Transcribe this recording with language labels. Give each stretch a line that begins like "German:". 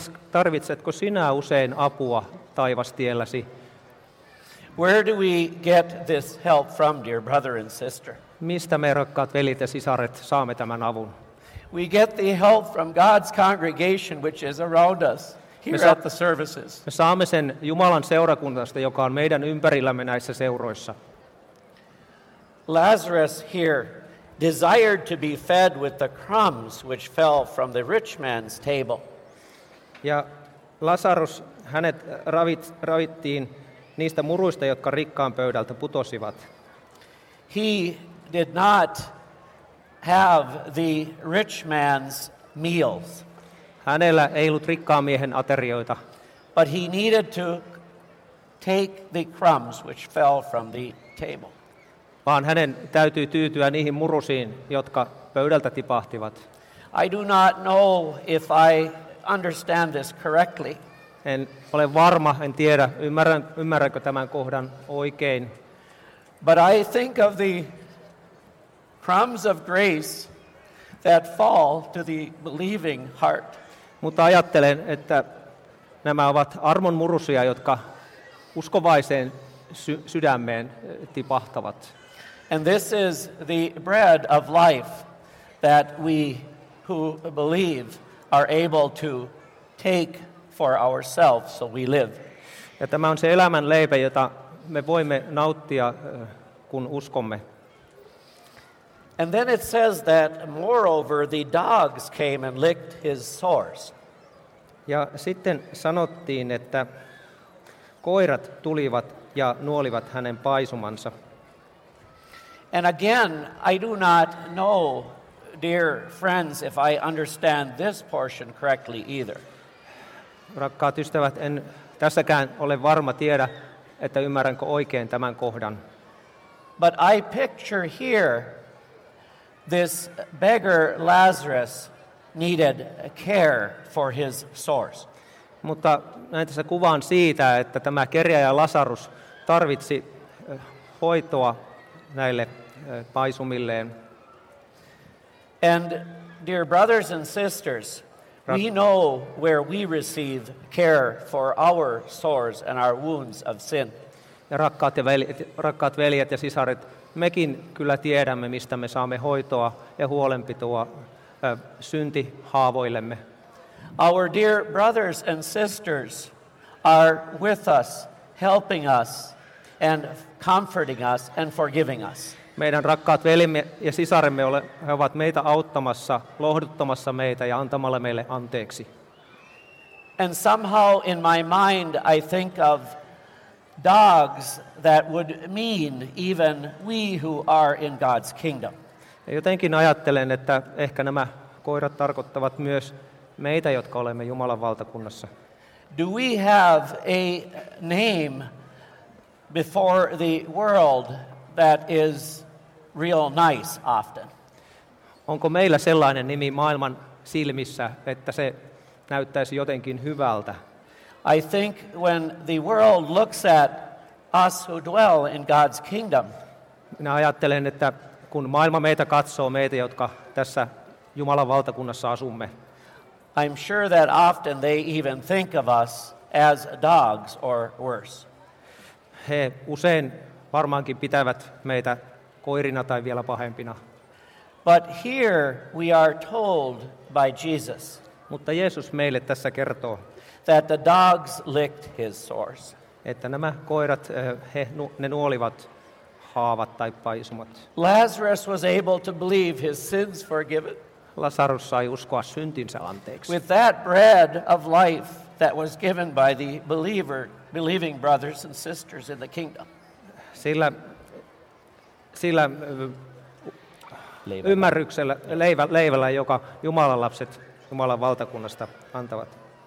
Finnish: Tarvitsetko sinä usein apua taivastielläsi?
English: Where do we get this help from, dear brother and sister?
Finnish: Mistä me rakkaat velit ja sisaret saamme tämän avun?
English: We get the help from God's congregation, which is around us. Here at the services.
Finnish: Me saamme sen Jumalan seurakunnasta, joka on meidän ympärillämme näissä seuroissa.
English: Lazarus here desired to be fed with the crumbs which fell from the rich man's table.
Finnish: Ja Lazarus, hänet ravittiin niistä muruista, jotka rikkaan pöydältä putosivat.
English: He did not have the rich man's meals.
Finnish: Hänellä ei ollut rikkaan miehen aterioita.
English: But he needed to take the crumbs which fell from the table.
Finnish: Vaan hänen täytyy tyytyä niihin murusiin, jotka pöydältä tipahtivat.
English: I do not know if I understand this correctly.
Finnish: En ole varma, en tiedä, ymmärränkö tämän kohdan oikein.
English: But I think of the crumbs of grace that fall to the believing heart.
Finnish: Mutta ajattelen, että nämä ovat armon murusia, jotka uskovaiseen sydämeen tipahtavat.
English: And this is the bread of life that we who believe are able to take for ourselves, so we live.
Finnish: Ja tämä on se elämän leipä, jota me voimme nauttia, kun uskomme.
English: And then it says that moreover the dogs came and licked his sores.
Finnish: Ja sitten sanottiin, että koirat tulivat ja nuolivat hänen paisumansa.
English: And again, I do not know, dear friends, if I understand this portion correctly either.
Finnish: Rakkaat ystävät, en tässäkään ole varma tiedä, että ymmärränkö oikein tämän kohdan.
English: But I picture here this beggar Lazarus needed care for his sores.
Finnish: Mutta näin tässä kuvaan siitä, että tämä kerjäjä Lazarus tarvitsi hoitoa näille paisumilleen.
English: And dear brothers and sisters, we know where we receive care for our sores and our wounds of sin.
Finnish: Ja rakkaat veljet ja sisaret, mekin kyllä tiedämme, mistä me saamme hoitoa ja huolenpitoa synti haavoillemme.
English: Our dear brothers and sisters are with us, helping us and comforting us and forgiving us.
Finnish: Meidän rakkaat veljemme ja sisaremme ovat meitä auttamassa, lohduttamassa meitä ja antamalla meille anteeksi.
English: And somehow in my mind I think of dogs that would mean even we who are in God's kingdom.
Finnish: Jotenkin ajattelen, että ehkä nämä koirat tarkoittavat myös meitä, jotka olemme Jumalan valtakunnassa.
English: Do we have a name before the world that is real nice often?
Finnish: Onko meillä sellainen nimi maailman silmissä, että se näyttäisi jotenkin hyvältä?
English: I think when the world looks at us who dwell in God's kingdom.
Finnish: Minä ajattelen, että kun maailma meitä katsoo, meitä, jotka tässä Jumalan valtakunnassa asumme.
English: I'm sure that often they even think of us as dogs or worse.
Finnish: He usein varmaankin pitävät meitä koirina tai vielä pahempina.
English: But here we are told by Jesus.
Finnish: Mutta Jeesus meille tässä kertoo,
English: that the dogs licked his sores.
Finnish: Että nämä koirat, ne nuolivat haavat tai paisumat.
English: Lazarus was able to believe his sins forgiven.
Finnish: Lazarus sai uskoa syntinsä anteeksi.
English: With that bread of life that was given by the believing brothers and sisters in the kingdom.
Finnish: Sillä ymmärryksellä, leivällä, joka Jumalan lapset Jumalan valtakunnasta antavat.